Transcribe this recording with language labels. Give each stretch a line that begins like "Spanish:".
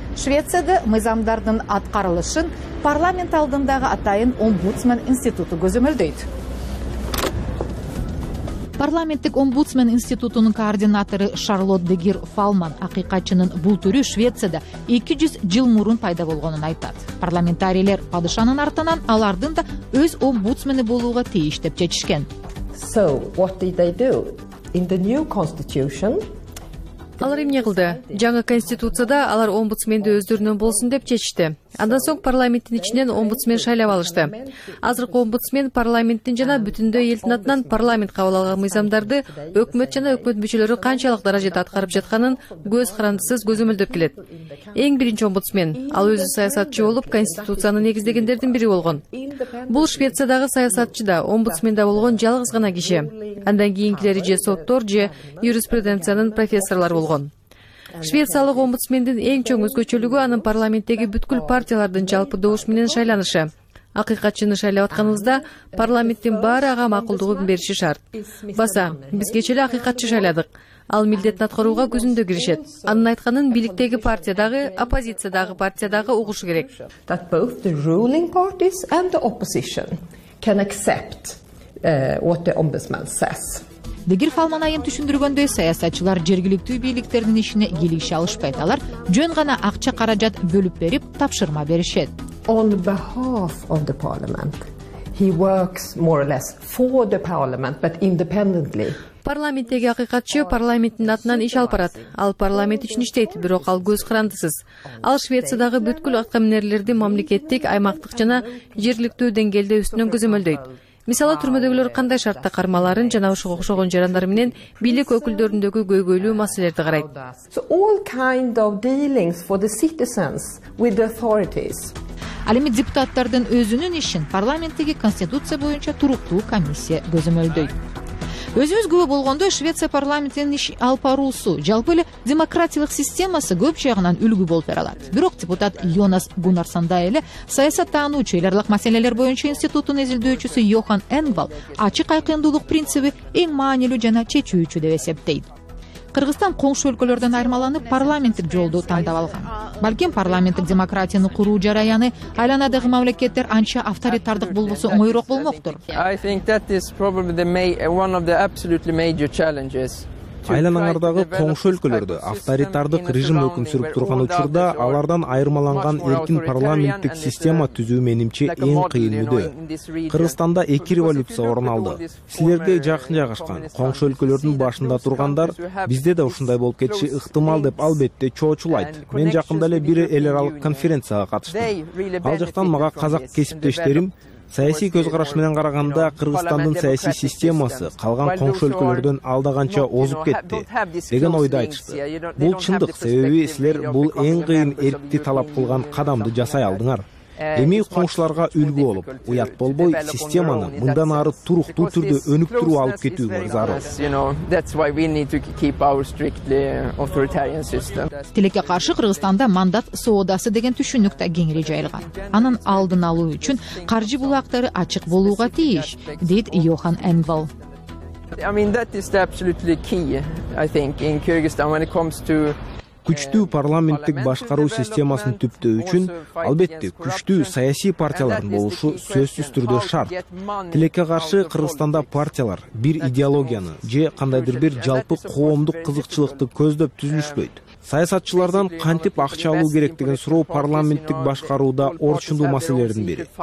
Kyrgyz: Швецияда мыйзамдардын аткарылышын парламент алдындагы атайын омбудсмен институту көзөмөлдөйт. Парламенттик омбудсмен институтунун координатору Шарлот Дегир Фалман акыйкатчынын бул түрү Швецияда 200 жыл мурун пайда болгонун айтат. Парламентарийлер падышанын артынан алардын да өз омбудсмени болууга тийиш деп чечишкен.
English: So, what did they do in the new constitution?
Kyrgyz: Алар эмне кылды? Жаңы конституцияда алар омбудсменди өздөрүнөн болсун деп чечишти. Андан соң парламенттин ичинен омбудсмен шайлап алышты. Азыркы омбудсмен парламенттин жана бүтүндөй элдин атынан парламент кабыл алган мыйзамдарды өкмөт жана өкмөт мүчөлөрү канчалык даражада аткарып жатканын көз карандысыз көзөмөлдөп келет. Эң биринчи омбудсмен, ал өзү саясатчы болуп, конституцияны негиздегендердин бири болгон. Бул Швециядагы саясатчы да, омбудсмен да болгон жалгыз гана киши. Андан кийинкилери же соттор же юриспруденциянын профессорлор болгон. Швециялык омбудсмендин эң чоң өзгөчөлүгү анын парламенттеги бүткүл партиялардын жалпы добуш менен шайланышы. Акыйкатчыны шайлап атканыбызда парламенттин баары ага макулдугун бериши шарт. Баса, биз кечээ акыйкатчы шайладык. Ал милдетин аткарууга көзүндө киришет. Анын айтканын бийликтеги партиядагы, оппозициядагы партиядагы угушу керек.
English: That both the ruling parties and the opposition can accept what the ombudsman says.
Kyrgyz: Дегир Фалман айым түшүндүргөндөй, саясатчылар жергиликтүү бийликтердин ишине кирише алышпайт. Алар жөн гана акча каражат бөлүп берип, тапшырма беришет.
English: On behalf of the parliament, he works more or less for the parliament, but independently.
Kyrgyz: Парламенттеги акыйкатчы парламенттин атынан иш алып барат. Ал парламент үчүн иштейт, бирок ал көз карандысыз. Ал Швециядагы бүткүл аткаминерлерди мамлекеттик, аймактык жана жергиликтүү деңгээлде үстүнөн көзөмөлдөйт. Мисалы, түрмөдөгүлөр кандай шартта кармаларын жана ошого окшогон жарандары менен бийлик өкүлдөрүндөгү көйгөйлүү маселелерди карайт.
English: So all kind of dealings for the citizens with the authorities.
Kyrgyz: Ал эми депутаттардын өзүнүн ишин парламенттеги конституция боюнча туруктуу комиссия көзөмөлдөйт. Өзүбүз күбө болгондой, Швеция парламентинин иш алып баруусу, жалпы эле демократиялык системасы көп жагынан үлгү болуп бере алат. Бирок депутат Йонас Гунарсандай эле саясат таануучу, эл аралык маселелер боюнча институттун изилдөөчүсү Йохан Энгвал ачык айкындуулук принциби эң маанилүү жана чечүүчү деп эсептейт. Кыргызстан коңшу өлкөлөрдөн айырмаланып парламенттик жолду тандап алган. Балким парламенттик демократияны куруу жараяны айланадагы мамлекеттер анча авторитардык болбосо оңойроок болмоктур.
English: I think that is probably the one of the absolutely major challenges.
Kyrgyz: Айланаңардагы коңшу өлкөлөрдө авторитардык режим өкүм сүрүп турган учурда алардан айырмаланган эркин парламенттик система түзүү менимче эң кыйын мүдө. Кыргызстанда эки революция орун алды. Силерге жакын жайгашкан коңшу өлкөлөрдүн башында тургандар бизде да ушундай болуп кетиши ыктымал деп албетте чоочулайт. Мен жакында эле бир эл аралык конференцияга катыштым. Ал жактан мага казак кесиптештерим саясий көз караш менен караганда Кыргызстандын саясий системасы калган коңшу өлкөлөрдөн алда канча озуп кетти деген ойду айтышты. Бул чындык, себеби силер бул эң кыйын эрикти талап кылган кадамды жасай алдыңар. Эми коңшуларга үлгү болуп, уят болбой, системаны мындан ары туруктуу түрдө өнүктүрүп алып кетүүгө зарур. Тилекке каршы Кыргызстанда мандат соодасы деген түшүнүк да кеңири жайылган. Анын алдын алуу үчүн каржы булактары ачык болууга тийиш, дейт Йохан Энгвал.
English: I mean that is the absolutely key I think in Kyrgyzstan when it comes to
Kyrgyz: күчтүү парламенттик башкаруу системасын түптөө үчүн албетте күчтүү саясий партиялардын болушу сөзсүз түрдө шарт. Тилекке каршы Кыргызстанда партиялар бир идеологияны же кандайдыр бир жалпы коомдук кызыкчылыкты көздөп түзүлүшпөйт. Саясатчылардан кантип акча алуу керек деген суроо парламенттик башкарууда орчундуу маселелердин бири.